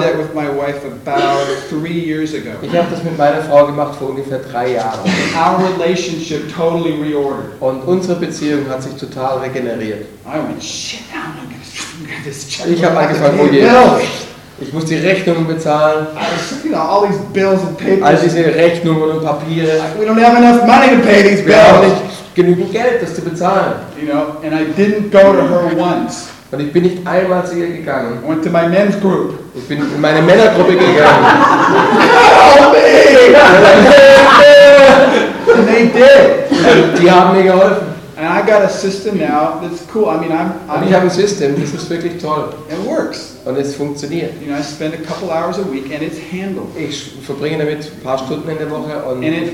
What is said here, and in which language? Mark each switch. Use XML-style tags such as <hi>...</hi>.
<en>I did that with my wife about 3 years ago.</en> <de>Ich habe das mit meiner Frau gemacht vor ungefähr 3 Jahren.</de> <en>Our relationship totally reordered.</en> <de>Und unsere Beziehung hat sich total regeneriert.</de> <en>I went, shit, I'm gonna get this check.</en> <de>Ich habe angefangen, wo geht es? Ich muss die Rechnungen bezahlen.</de> <en>All these bills and papers.</en> <de>All diese Rechnungen und Papiere.</de> <en>We don't have enough money to pay these bills.</en> <de>Wir haben nicht genügend Geld, das zu bezahlen.</de> <en>You know, and I didn't go to her once.</en> <de>Und ich bin nicht einmal zu ihr gegangen.</de> <en>I went to my men's group.</en> <de>Ich bin in meine Männergruppe gegangen.</de> <en>Help me! And they did.</en> <de>Die haben mir geholfen.</de> <en>And I got a system now that's cool. I mean,</en> <de>Und ich habe ein System, das ist wirklich toll.</de> <en>It works.</en> <de>Und es funktioniert.</de> <en>You know, I spend a couple hours a week and it's handled.</en> <de>Ich verbringe damit ein paar Stunden in der Woche und</de>